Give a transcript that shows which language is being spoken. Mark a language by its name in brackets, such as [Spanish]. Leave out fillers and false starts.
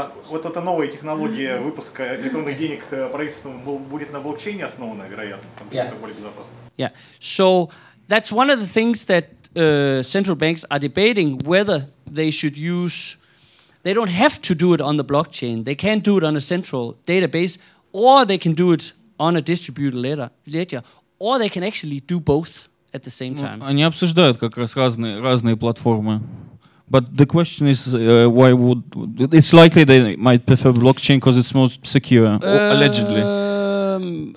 [Russian] Вот эта новая технология выпуска электронных денег правительством будет на блокчейне основана, вероятно, потому что это более безопасно. [English] Yeah, so that's one of the things that central banks are debating, whether they should use... They don't have to do it on the blockchain. They can't do it on a central database, or they can do it on a distributed ledger, or they can actually do both at the same time. [Russian] Они обсуждают как раз разные платформы. [English] But the question is, why would... It's likely they might prefer blockchain because it's more secure, allegedly.